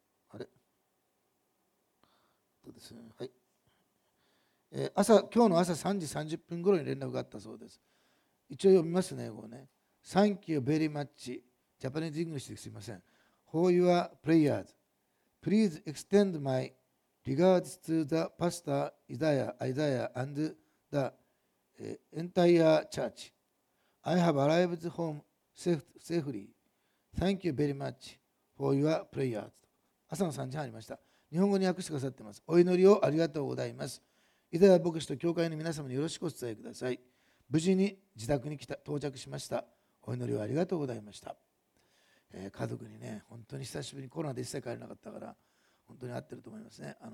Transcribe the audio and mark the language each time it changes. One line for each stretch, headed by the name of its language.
Japanese: あれどうですね、はい、朝、今日の朝3時30分頃に連絡があったそうです。一応読みますね、英語ね。
English: Thank you very much. Japanese English
Japanese: ですいません。
English: For your prayers. Please extend my regards to the pastor Isaiah and the entire church. I have arrived home safely. Thank you very much for your prayers.
Japanese: 朝の3時半ありました。日本語に訳してくださってます。お祈りをありがとうございます。イザヤ牧師と教会の皆様によろしくお伝えください。無事に自宅に来た到着しました。お祈りをありがとうございました。家族にね、本当に久しぶりに、コロナで一切帰れなかったから本当に合ってると思いますね。